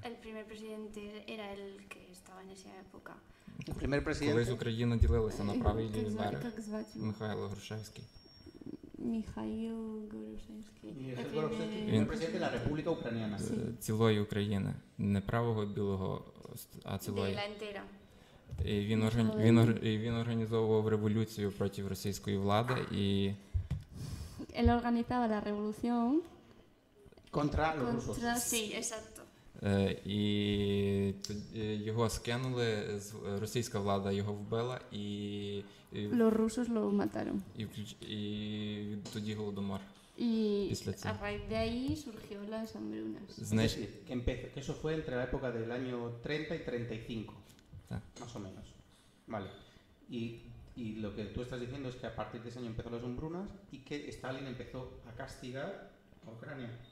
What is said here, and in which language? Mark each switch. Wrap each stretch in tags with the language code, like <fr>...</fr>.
<es>El primer presidente era el que estaba en esa época. El primer presidente.</es> <uk>Колись Україна ділилася на правий і лівий берег. Як звати? Михайло Грушевський. Михайло Грушевський. Ні, Грушевський. Він президент</uk> <es>la República Ucraniana. Sí.</es> <uk>Цілої України, не правого, білого, а цілої.</uk> <es>De la entera.</es> <uk>І він організовував революцію проти російської влади і</uk> <es>él organizaba la revolución contra los rusos. Sí, exacto.</es> <uk>І його скинули, російська влада його вбила і...</uk> <es>Los rusos lo mataron.</es> <uk>І тоді Голодомор.</uk> <es>Y a raíz de ahí surgió las hambrunas. Es decir, que empezó, que eso fue entre la época del año 30 y 35, más o menos. Vale. Y lo que tú estás diciendo es que a partir de ese año empezó las hambrunas y que Stalin empezó a castigar a Ucrania.</es>